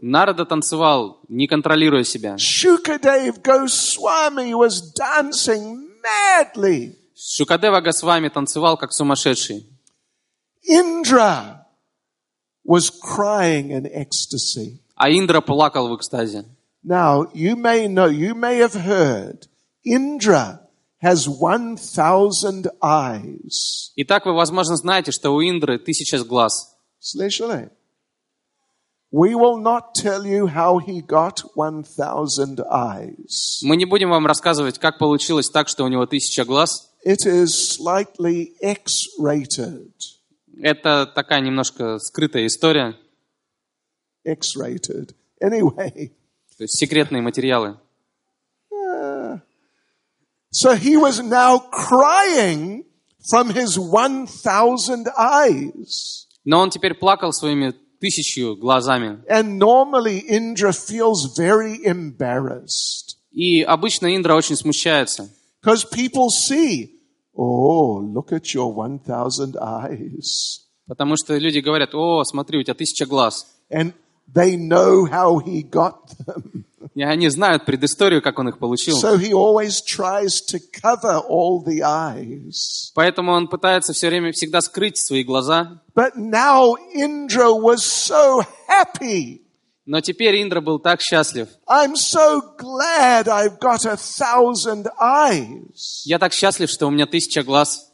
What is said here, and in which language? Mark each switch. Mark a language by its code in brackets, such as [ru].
[ru] Нарада танцевал, не контролируя себя. [en] Shukadev Goswami was dancing madly. [ru] Шукадева Госвами танцевал как сумасшедший. [en] Indra was crying in ecstasy. [ru] А Индра плакал в экстазе. [en] Now, you may know, you may have heard, Indra has 1,000 eyes. [ru] Итак, вы, возможно, знаете, что у Индры 1000 глаз. Слышали? [en] We will not tell you how he got 1,000 eyes. [ru] Мы не будем вам рассказывать, как получилось так, что у него 1000 глаз. [en] It is slightly X-rated. [ru] Это такая немножко скрытая история. [en] X-rated. Anyway. [ru] То есть секретные материалы. [en] So he was now crying from his 1,000 eyes. [ru] Но он теперь плакал своими тысячью глазами. [en] And normally Indra feels very embarrassed. [ru] И обычно Индра очень смущается. [en] Because people see, oh, look at your 1,000 eyes. [ru] Потому что люди говорят, о, смотри, у тебя 1,000 глаз. [en] And they know how he got them. [ru] И они знают предысторию, как он их получил. [en] So he always tries to cover all the eyes. [ru] Поэтому он пытается все время всегда скрыть свои глаза. [en] But now Indra was so happy. [ru] Но теперь Индра был так счастлив. [en] I'm so glad I've got 1,000 eyes. [ru] Я так счастлив, что у меня 1,000 глаз.